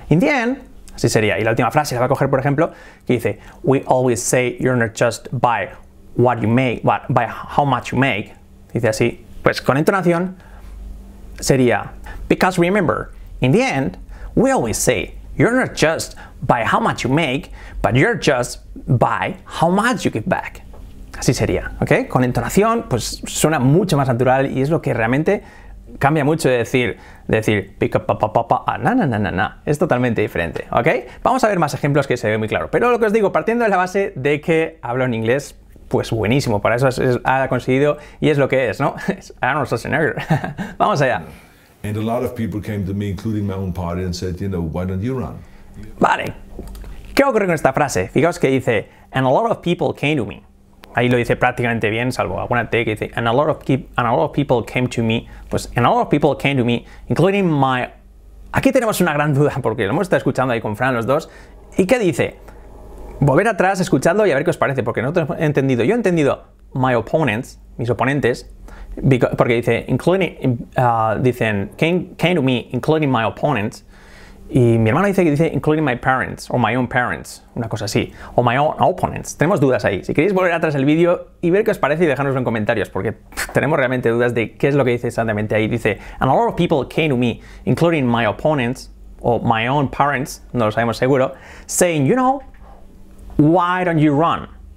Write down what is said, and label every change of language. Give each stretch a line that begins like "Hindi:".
English: In the end,
Spanish: así sería. Y la última frase la va a coger, por ejemplo, que dice,
English: we always say you're not just by what you make, but by how much you make.
Spanish: Dice así, pues con entonación sería,
English: because remember, in the end, we always say you're not just by how much you make, but you're just by how much you give back.
Spanish: Así sería, ¿ok? Con entonación, pues suena mucho más natural y es lo que realmente cambia mucho de decir pick up, pa pa pa a na na na na na. Es totalmente diferente, ¿ok? Vamos a ver más ejemplos que se ve muy claro. Pero lo que os digo, partiendo de la base de que hablo en inglés, pues buenísimo, para eso ha conseguido y es lo que es, ¿no? Es Arnold Schwarzenegger. Vamos allá.
English: And a lot of people came to me, including my own party, and said, you know, why don't you run?
Spanish: Vale. ¿Qué ocurre con esta frase? Fijaos que dice,
English: and a lot of people came to me.
Spanish: Ahí lo dice prácticamente bien, salvo alguna T que dice,
English: and a lot of people came to me.
Spanish: Pues,
English: and a lot of people came to me, including my...
Spanish: Aquí tenemos una gran duda, porque lo hemos estado escuchando ahí con Fran los dos. ¿Y qué dice? Volver atrás, escuchadlo y a ver qué os parece, porque nosotros hemos entendido. Yo he entendido my opponents, mis oponentes, porque dice, including, dicen,
English: came to me, including my opponents.
Spanish: Y mi hermano dice que dice,
English: including my parents,
Spanish: o
English: my own parents,
Spanish: una cosa así, o
English: my own opponents.
Spanish: Tenemos dudas ahí. Si queréis volver atrás el vídeo y ver qué os parece y dejárnoslo en comentarios, porque tenemos realmente dudas de qué es lo que dice exactamente ahí. Dice,
English: and a lot of people came to me, including my opponents, o my own parents,
Spanish: no lo sabemos seguro,
English: saying, you know, why don't you run?